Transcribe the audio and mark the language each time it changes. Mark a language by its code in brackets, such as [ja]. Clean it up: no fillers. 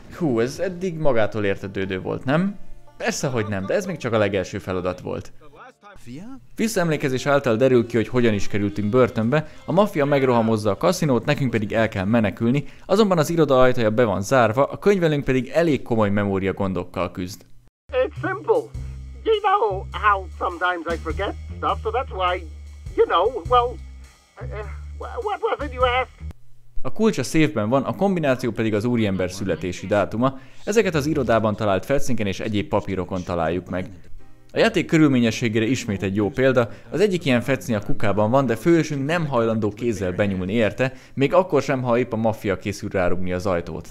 [hu] Hú, ez eddig magától értetődő volt, nem? Persze, hogy nem, de ez még csak a legelső feladat volt. Visszaemlékezés által derül ki, hogy hogyan is kerültünk börtönbe, a maffia megrohamozza a kaszinót, nekünk pedig el kell menekülni, azonban az iroda ajtaja be van zárva, a könyvelünk pedig elég komoly memória gondokkal küzd. [en] It's simple. You know how sometimes I forget stuff, so that's why, you know, well, what was it you asked? [hu] A kulcs a széfben van, a kombináció pedig az úriember születési dátuma. Ezeket az irodában talált felszínken és egyéb papírokon találjuk meg. A játék körülményességére ismét egy jó példa, az egyik ilyen fecni a kukában van, de főhősünk nem hajlandó kézzel benyúlni érte, még akkor sem, ha épp a maffia készül rárugni az ajtót.